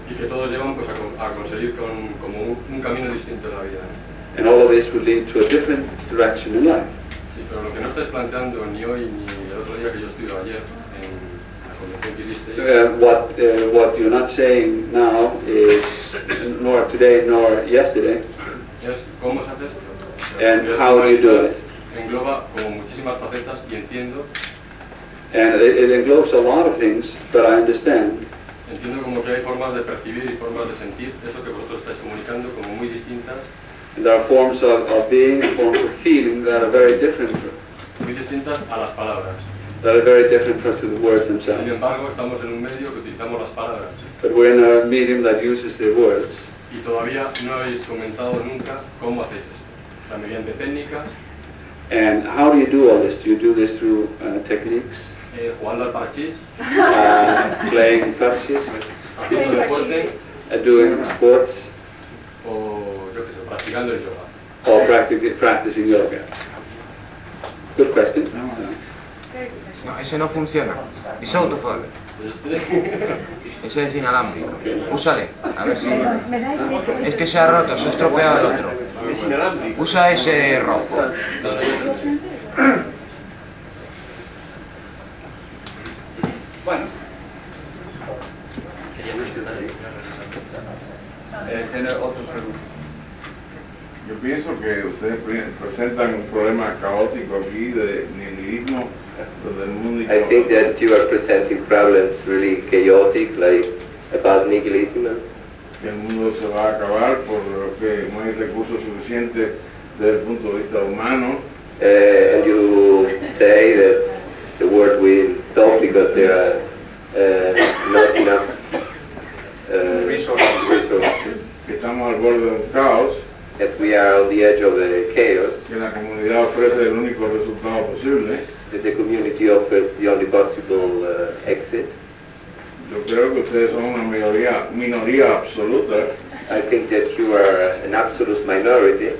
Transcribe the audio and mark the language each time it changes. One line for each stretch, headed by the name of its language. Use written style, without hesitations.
Spanish: Y que todos llevan pues a conseguir como un camino distinto en la vida.
English: And all of this would lead to a different direction in life.
Spanish: Sí, pero lo que no estás planteando ni hoy ni el otro día que yo estuve ayer en la convención que diste.
English: What you're not saying now is nor today nor yesterday.
Spanish: Es cómo se hace esto.
English: And how do you do it?
Spanish: Engloba como muchísimas facetas y entiendo.
English: And it englobes a lot of things, but I understand.
Spanish: Entiendo como que hay formas de percibir y formas de sentir eso que vosotros estáis comunicando como muy distintas.
English: And there are forms of being, forms of feeling that are very different.
Spanish: Muy distintas a las palabras.
English: That are very different from the words themselves.
Spanish: Sin embargo, estamos en un medio que utilizamos las palabras.
English: But we're in a medium that uses the words.
Spanish: Y todavía no habéis comentado nunca cómo hacéis esto. Mediante técnicas.
English: And how do you do all this? Do you do this through techniques?
Spanish: Jugando al parchís.
English: Playing parchís.
Spanish: Haciendo deporte.
English: Doing sports.
Spanish: O yo que sé, practicando el yoga.
English: Or practicing yoga. Good question.
Spanish: No, ese no funciona. Es autofable. Ese es inalámbrico. Úsale, a ver si. Es que se ha roto, se ha estropeado el otro. Es inalámbrico. Usa ese rojo. Bueno. ¿Tiene otra pregunta? porque ustedes presentan un problema caótico aquí de nihilismo.
English: I think that you are presenting problems really chaotic, like about nihilism.
Spanish: El mundo se va a acabar por lo que no hay recursos suficientes desde el punto de vista humano.
English: And you say that the world will stop because there are not enough resources.
Spanish: Estamos al borde de un caos.
English: That we are on the edge of a chaos.
Spanish: Que la comunidad ofrece el único resultado posible.
English: That the community offers the only possible exit.
Spanish: Yo creo que ustedes son una minoría absoluta.
English: I think that you are an absolute minority.